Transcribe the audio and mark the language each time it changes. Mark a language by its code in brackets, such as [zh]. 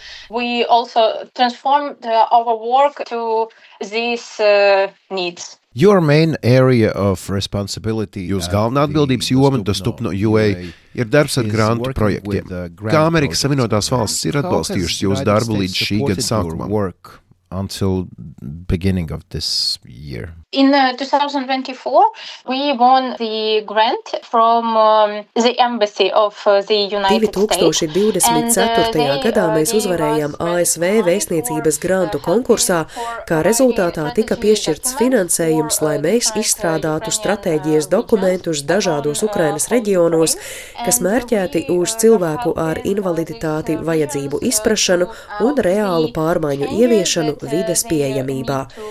[en] We also transformed our work to these needs. Your main area of responsibility. [lv] Jūs galvenā atbildības joma Dostupno UA ir darbs ar grantu projektiem. Kā Amerikas Savienotās valsts ir atbalstījušas jūsu darbu līdz šī gada sākumā? [en] Until beginning of this year. In 2024 we won the grant from the embassy of the United States. [lv] 2024. Gadā mēs uzvarējām ASV vēstniecības grantu konkursā, kā rezultātā tika piešķirts finansējums, lai mēs izstrādātu stratēģijas dokumentus dažādos Ukrainas reģionos, kas mērķēti uz cilvēku ar invaliditāti vajadzību izprašanu un reālu pārmaiņu ieviešanu vides pieejamībā.